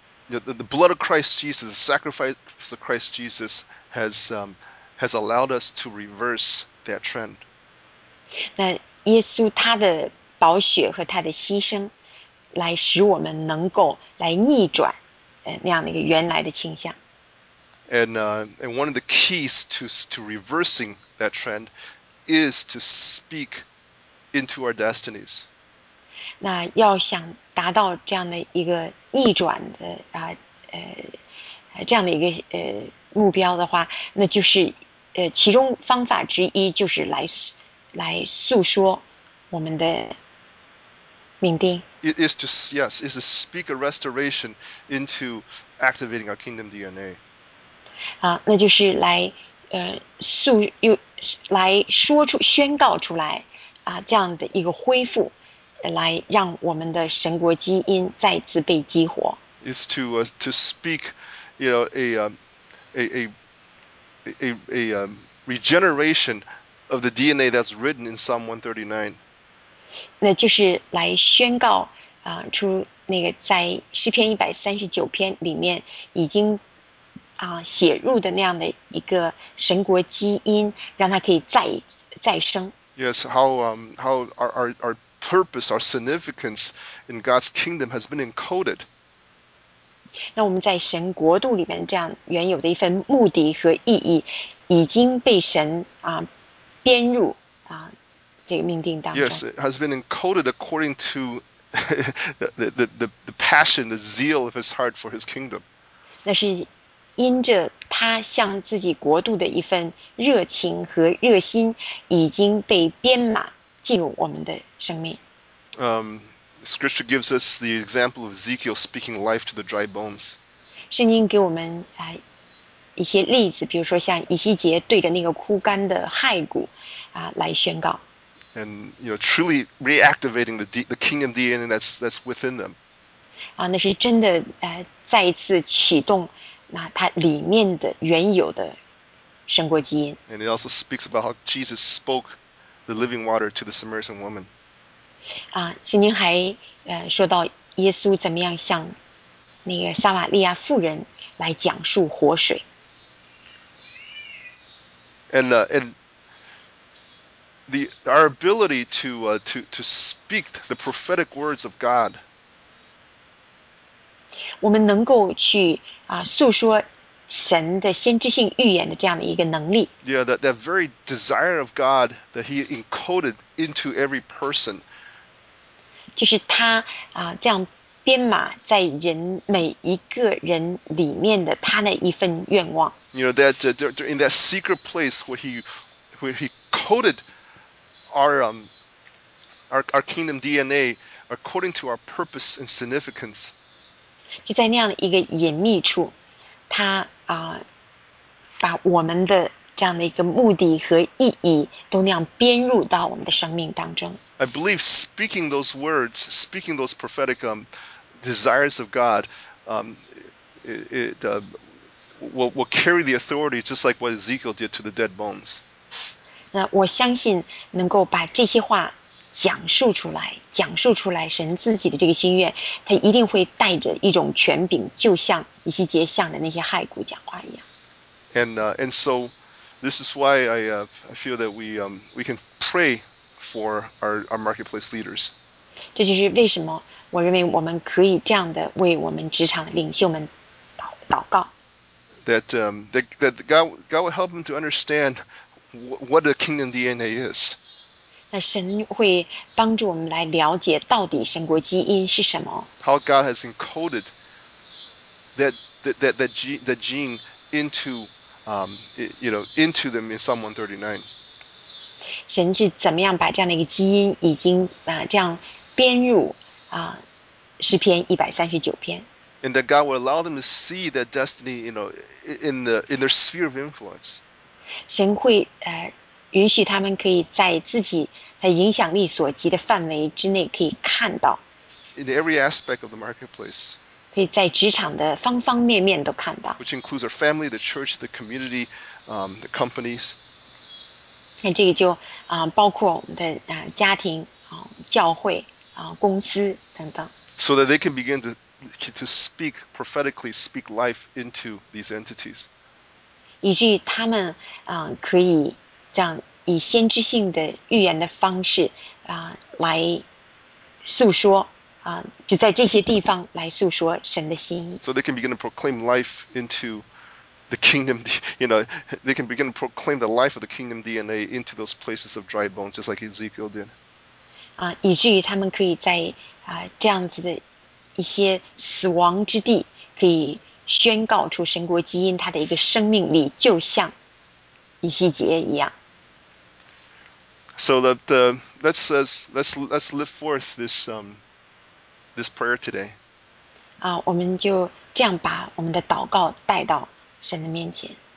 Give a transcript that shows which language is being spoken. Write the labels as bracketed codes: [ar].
[en] The blood of Christ Jesus, the sacrifice of Christ Jesus has allowed us to reverse that trend. [zh] 那耶稣他的宝血和他的牺牲，来使我们能够来逆转，那样的一个原来的倾向。 [en] And one of the keys to reversing that trend is to speak into our destinies. [zh] 那要想达到这样的一个逆转的这样的一个目标的话，那就是其中方法之一就是来诉说我们的命定。 [en] It is to, yes, is to speak a restoration into activating our kingdom DNA. [zh] 啊，那就是来诉又来说出宣告出来啊，这样的一个恢复，来让我们的神国基因再次被激活。 [en] Is to speak, you know, a regeneration of the DNA that's written in Psalm 139. [zh] 那就是来宣告出那个在诗篇139篇里面已经写入的那样的一个神国基因，让它可以再生。 [en] Yes, how our purpose, our significance in God's kingdom has been encoded. [zh] 那我们在神国度里面这样原有的一份目的和意义，已经被神编入这个命定当中。 [en] Yes, it has been encoded according to the passion, the zeal of his heart for his kingdom. [zh] 那是因着他向自己国度的一份热情和热心，已经被编码进入我们的生命。 [en] Scripture gives us the example of Ezekiel speaking life to the dry bones. [zh] 圣经给我们一些例子，比如说像以西结对着那个枯干的骸骨来宣告。 [en] And you know, truly reactivating the kingdom DNA that's within them. [zh] 那是真的再一次启动那它里面的原有的生活基因。 [en] And it also speaks about how Jesus spoke the living water to the Samaritan woman. [zh] 圣经还说到耶稣怎么样向那个撒玛利亚妇人来讲述活水。 [en] And our ability to speak the prophetic words of God. [zh] 我们能够去诉说神的先知性预言的这样的一个能力。 [en] Yeah, that very desire of God that he encoded into every person. [zh] 就是他这样编码在人每一个人里面的他那一份愿望。 [en] You know, that in that secret place where he coded our kingdom DNA according to our purpose and significance. [zh] 就在那样的一个隐秘处，他把我们的这样的一个目的和意义都那样编入到我们的生命当中。 [en] I believe speaking those words, speaking those prophetic desires of God, will carry the authority just like what Ezekiel did to the dead bones. [zh] 那我相信能够把这些话讲述出来，讲述出来神自己的这个心愿，他一定会带着一种权柄，就像以西结像的那些骸骨讲话一样。 [en] And so this is why I feel that we can pray for our marketplace leaders. [zh] 这就是为什么我认为我们可以这样的为我们职场的领袖们祷告。 [en] That God will help them to understand what the kingdom DNA is. [zh] 那神会帮助我们来了解到底神国基因是什么。 [en] How God has encoded that gene into into them in Psalm 139. [zh] 神是怎么样把这样的一个基因已经这样编入诗篇139篇。 [en] And that God will allow them to see that destiny, you know, in their sphere of influence. [zh] 神会允许他们可以在自己在影响力所及的范围之内可以看到， [en] In every aspect of the marketplace, [zh] 可以在职场的方方面面都看到。 [en] which includes our family, the church, the community, the companies. [zh] 那这个就包括我们的家庭、教会、公司等等。 [en] So that they can begin to speak prophetically, speak life into these entities. [zh] 以至于他们可以这样以先知性的预言的方式来诉说就在这些地方来诉说神的心意。 [en] So they can begin to proclaim life into the kingdom, you know, they can begin to proclaim the life of the kingdom DNA into those places of dry bones, just like Ezekiel did. [zh] 以至于他们可以在这样子的一些死亡之地，可以宣告出神国基因它的一个生命力，就像以西结一样。 [en] So that let's live forth this this prayer today. [zh] 我们就这样把我们的祷告带到神的面前。